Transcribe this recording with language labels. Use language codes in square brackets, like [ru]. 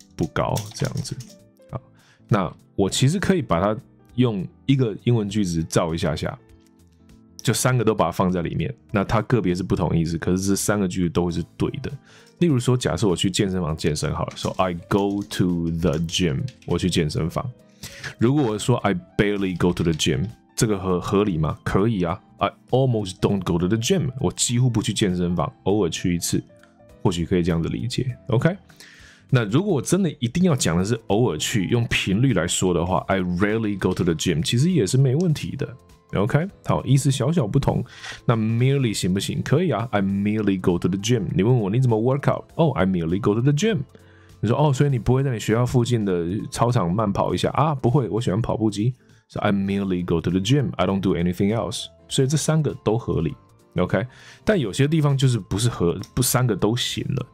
[zh] 不高这样子，好，那我其实可以把它用一个英文句子照一下下，就三个都把它放在里面，那它个别是不同意思，可是这三个句子都是对的。例如说，假设我去健身房健身好了，说 [en] I go to the gym， [zh] 我去健身房。如果我说 [en] I barely go to the gym， [zh] 这个合理吗？可以啊 ， [en] I almost don't go to the gym， [zh] 我几乎不去健身房，偶尔去一次，或许可以这样子理解。OK。那如果我真的一定要讲的是偶尔去，用频率来说的话 ， [en] I rarely go to the gym， [zh] 其实也是没问题的。 OK， 好，意思小小不同。 [en] 那 merely 行不行？ [zh] 可以啊 [en] ，I merely go to the gym。 [zh] 你问我你怎么 workout？ [en] 哦、oh, ，I merely go to the gym。 [zh] 你说哦，所以你不会在你学校附近的操场慢跑一下啊？不会，我喜欢跑步机。 [en] So I merely go to the gym. I don't do anything else. [zh] 所以这三个都合理。 OK， 但有些地方就是不是合不三个都行了。